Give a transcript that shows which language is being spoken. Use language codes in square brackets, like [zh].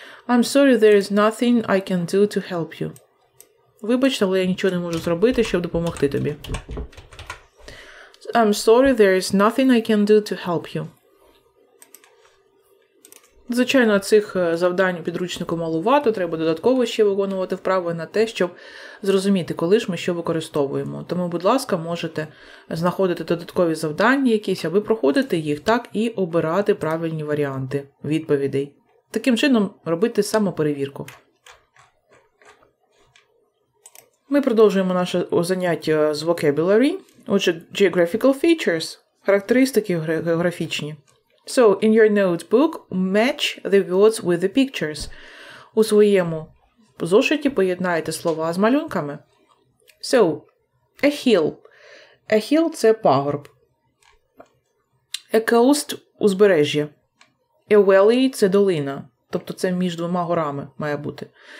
[en] I'm sorry, there is nothing I can do to help you. [uk] Вибачте, але я нічого не можу зробити, щоб допомогти тобі. [en] I'm sorry, there is nothing I can do to help you. [uk] Звичайно, цих завдань у підручнику малувато, треба додатково ще виконувати вправи на те, щоб зрозуміти, коли ж ми що використовуємо. Тому, будь ласка, можете знаходити додаткові завдання якісь, аби проходити їх так і обирати правильні варіанти відповідей. Таким чином робити самоперевірку. Ми продовжуємо наше заняття з vocabulary, отже, [en] geographical features, [uk] характеристики географічні. [en] So, in your notebook, match the words with the pictures. [uk] У своєму зошиті поєднайте слова з малюнками. [en] So, a hill. A hill – [uk] це пагорб. [en] A coast – [uk] узбережжя. [en] A valley – [uk] це долина. Тобто це між двома горами має бути.